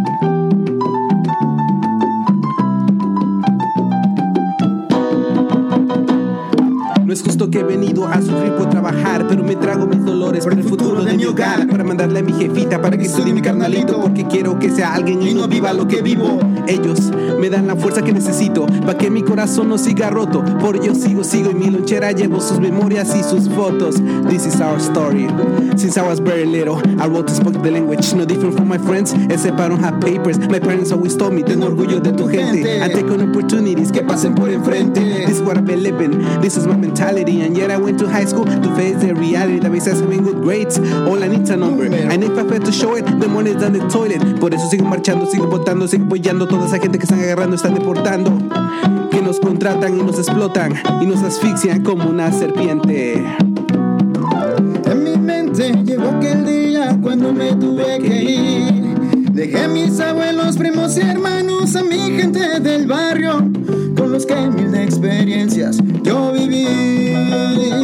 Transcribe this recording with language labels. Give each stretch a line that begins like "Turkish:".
Spanish: No es justo que he venido a sufrir por trabajar, pero me trago mis dolores por el futuro de mi hogar. Para mandarle a mi jefita para que estudie mi carnalito, porque quiero que convertirse a alguien y no viva lo que vivo. Ellos me dan la fuerza que necesito para que mi corazón no siga roto. Por ello sigo y mi lonchera llevo sus memorias y sus fotos.
English: This is our story. Since I was very little, I wrote and spoke the language. No different from my friends, except I don't have papers. My parents always told me,
Spanish: ten orgullo de tu gente.
English: I take on opportunities
Spanish: que pasen por enfrente.
English: This is what I've been living, this is my mentality. And yet I went to high school to face the reality that besides having good grades, all I need is a number. And if I fail to show it, the money is on the toilet.
Spanish: Por eso sigo marchando, sigo votando, sigo apoyando. Toda esa gente que están agarrando, están deportando. Que nos contratan y nos explotan y nos asfixian como una serpiente. En mi mente llegó aquel día cuando me tuve que ir. Dejé a mis abuelos, primos y hermanos, a mi gente del barrio, con los que mil experiencias yo viví.